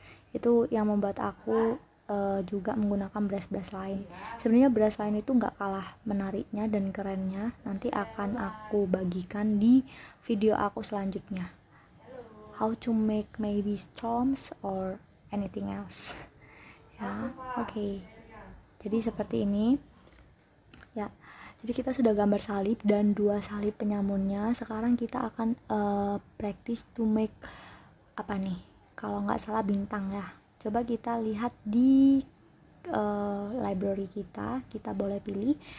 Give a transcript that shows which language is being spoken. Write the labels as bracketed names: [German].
[Indonesian] Itu yang membuat aku juga menggunakan brush-brush lain. Sebenarnya brush lain itu nggak kalah menariknya dan kerennya, nanti akan aku bagikan di video aku selanjutnya. [English] How to make maybe storms or anything else. [Indonesian] Ya, oke. Jadi seperti ini. Ya, jadi kita sudah gambar salib dan dua salib penyamunnya. Sekarang kita akan [English] practice to make [Indonesian] apa nih? Kalau nggak salah bintang ya. Coba kita lihat di library kita. Kita boleh pilih.